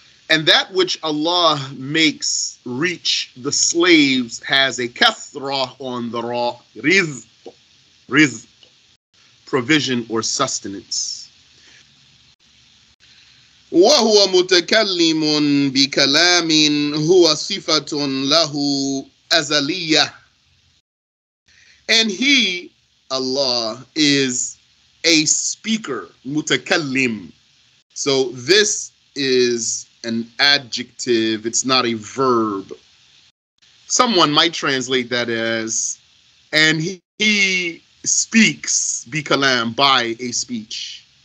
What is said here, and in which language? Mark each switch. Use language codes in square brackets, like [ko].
[en] And that which Allah makes reach the slaves has a kathra on the ra, rizq, rizq, provision or sustenance. [ar] وهو متكلم بكلام هو صفة له أزلية. [en] And he, Allah, is a speaker, متكلم. So this is an adjective, it's not a verb. Someone might translate that as, and he speaks بكلام, by a speech.